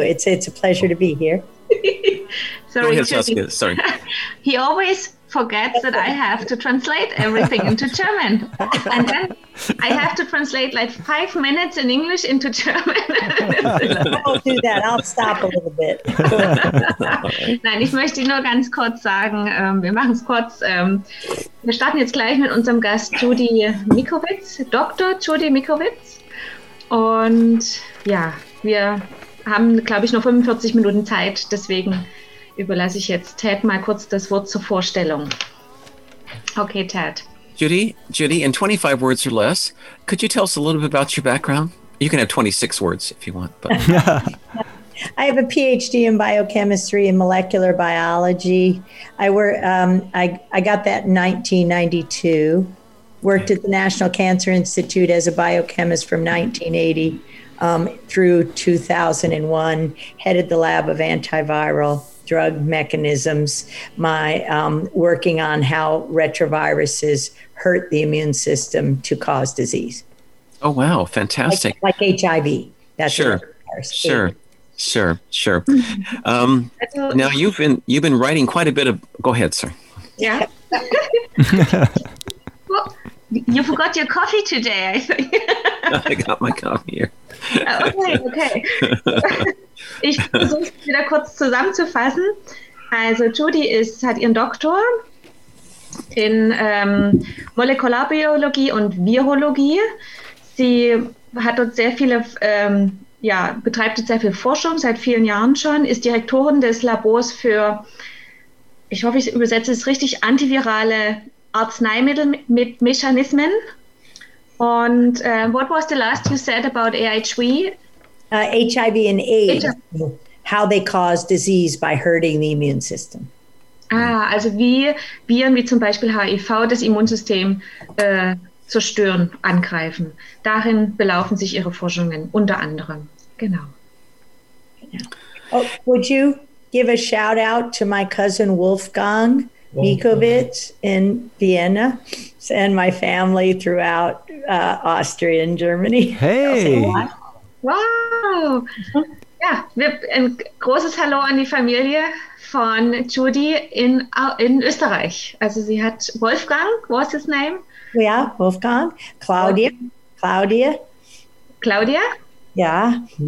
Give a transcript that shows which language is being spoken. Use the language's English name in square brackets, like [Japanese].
[English] It's a pleasure to be here. Sorry, go ahead, Saskia. Sorry. He always forgets that I have to translate everything into German. And then I have to translate like 5 minutes in English into German. I'll do that. I'll stop a little bit. [German] Nein, ich möchte nur ganz kurz sagen, wir machen es kurz. Wir starten jetzt gleich mit unserem Gast Judy Mikovits, Dr. Judy Mikovits. Und ja, wir haben, glaube ich, noch 45 Minuten Zeit. Deswegen überlasse ich jetzt Thad mal kurz das Wort zur Vorstellung. Okay, Thad. [English] Judy, in 25 words or less, could you tell us a little bit about your background? You can have 26 words if you want. But I have a PhD in biochemistry and molecular biology. I got that in 1992. Worked at the National Cancer Institute as a biochemist from 1980. Through 2001, headed the lab of antiviral drug mechanisms, working on how retroviruses hurt the immune system to cause disease. Oh, wow. Fantastic. Like HIV. That's sure. Sure. now you've been writing quite a bit of, go ahead, sir. Yeah. Well, you forgot your coffee today, I think. I got my coffee here. Okay. [German] Ich versuche es wieder kurz zusammenzufassen. Also Judy hat ihren Doktor in Molekularbiologie und Virologie. Sie hat dort sehr viele, betreibt sehr viel Forschung seit vielen Jahren schon, ist Direktorin des Labors für, ich hoffe, ich übersetze es richtig, antivirale Arzneimittel mit Mechanismen. [English] And what was the last you said about AIHV? HIV and AIDS, how they cause disease by hurting the immune system. [German] Ah, also wie Viren wie zum Beispiel HIV das Immunsystem zerstören, angreifen. Darin belaufen sich ihre Forschungen, unter anderem. Genau. [English] Yeah. Oh, would you give a shout out to my cousin Wolfgang Mikovits in Vienna and my family throughout Austria and Germany. Hey! Wow! [German] Ja, ein großes Hallo an die Familie von Judy in Österreich. Also sie hat Wolfgang, [English] what's his name? [German] Ja, [English] yeah, [German] Wolfgang. Claudia. Claudia? Claudia? Ja.